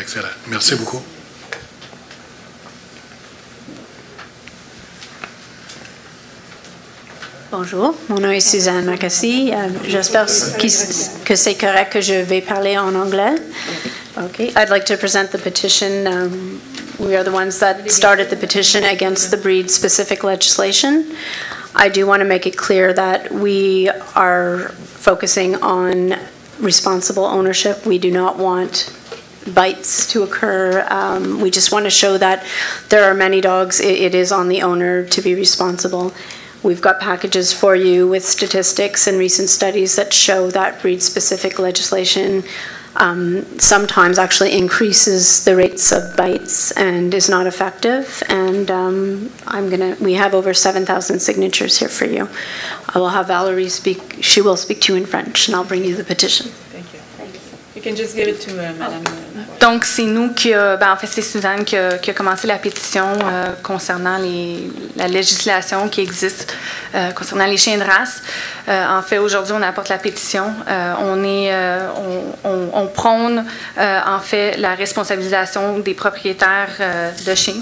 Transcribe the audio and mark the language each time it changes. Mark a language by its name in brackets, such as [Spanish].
[French] Excellent. Merci beaucoup. Bonjour, mon nom est Suzanne Marcassi. J'espère que c'est correct que je vais parler en anglais. [English] Okay. I'd like to present the petition. We are the ones that started the petition against the breed-specific legislation. I do want to make it clear that we are focusing on responsible ownership. We do not want bites to occur. We just want to show that there are many dogs. It is on the owner to be responsible. We've got packages for you with statistics and recent studies that show that breed-specific legislation sometimes actually increases the rates of bites and is not effective. And we have over 7,000 signatures here for you. I will have Valerie speak. She will speak to you in French, and I'll bring you the petition. [French] Donc, c'est nous qui a, ben, en fait, c'est Suzanne qui a commencé la pétition concernant la législation qui existe concernant les chiens de race. En fait, aujourd'hui, on apporte la pétition. On prône, en fait, la responsabilisation des propriétaires de chiens.